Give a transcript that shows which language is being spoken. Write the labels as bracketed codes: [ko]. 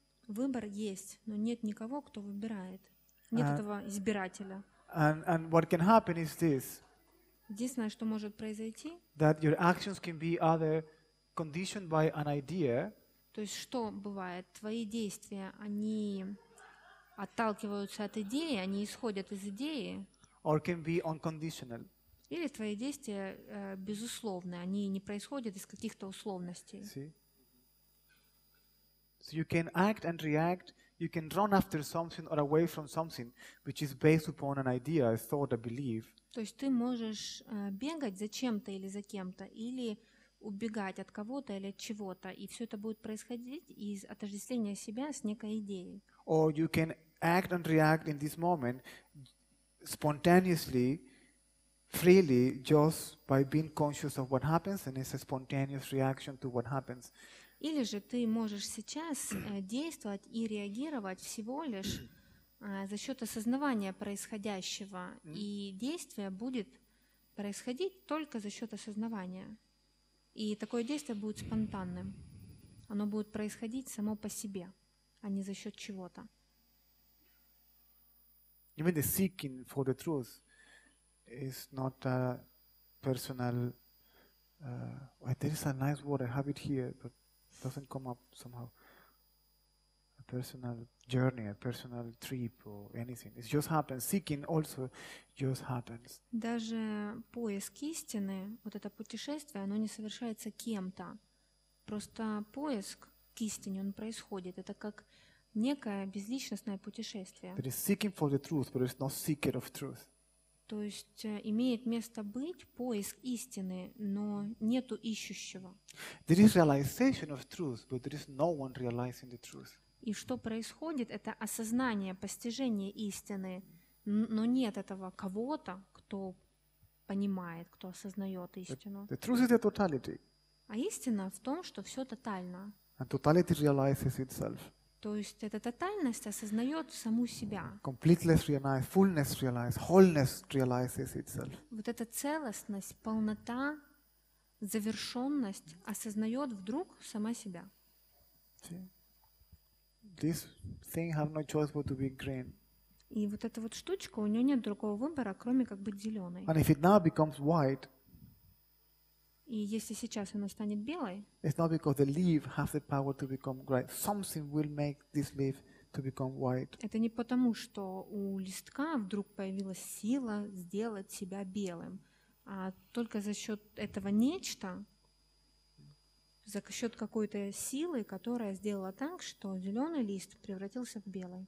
[ru] Выбор есть, но нет никого, кто выбирает. Нет этого избирателя. [en] And what can happen is this. [ru] Единственное, что может произойти... [en] That your actions can be either conditioned by an idea... [ru] То есть что бывает? Твои действия, они отталкиваются от идеи, они исходят из идеи. [en] Or can be unconditional. [ru] Или твои действия безусловные, они не происходят из каких-то условностей. [en] See? So you can act and react, you can run after something or away from something, which is based upon an idea, a thought, a belief. [ru] То есть ты можешь бегать за чем-то или за кем-то, или... убегать от кого-то или от чего-то, и все это будет происходить из отождествления себя с некой идеей. [en] Or you can act and react in this moment spontaneously, freely, just by being conscious of what happens, and it's a spontaneous reaction to what happens. [ru] Или же ты можешь сейчас действовать и реагировать всего лишь за счет осознавания происходящего, и действие будет происходить только за счет осознавания. И такое действие будет спонтанным. Оно будет происходить само по себе, а не за счет чего-то. [en] Even the seeking for the truth is not a personal. There is a nice word. I have it here, but doesn't come up somehow. A personal journey, a personal trip, or anything. It just happens. Seeking also just happens. [ru] Даже поиск истины, вот это путешествие, оно не совершается кем-то. Просто поиск к истине, он происходит. Это как некое безличностное путешествие. [en] There is seeking for the truth, but there is no seeker of truth. [ru] То есть имеет место быть поиск истины, но нету ищущего. [en] There is realization of truth, but there is no one realizing the truth. [ru] И что происходит, это осознание, постижение истины, но нет этого кого-то, кто понимает, кто осознает истину. [en] The truth is the totality. [ru] А истина в том, что все тотально. [en] And totality realizes itself. [ru] То есть эта тотальность осознает саму себя. [en] Completeness realizes, fullness realizes, wholeness realizes itself. [ru] Вот эта целостность, полнота, завершенность осознает вдруг сама себя. [en] See? This thing have no choice but to be green. [ru] И вот эта вот штучка, у нее нет другого выбора, кроме как быть зеленой. [en] And if it now becomes white, [ru] и если сейчас она станет белой, [en] it's not because the leaf has the power to become green. Something will make this leaf to become white. [ru] Это не потому, что у листка вдруг появилась сила сделать себя белым, а только за счет этого нечто. За счет какой-то силы, которая сделала так, что зеленый лист превратился в белый.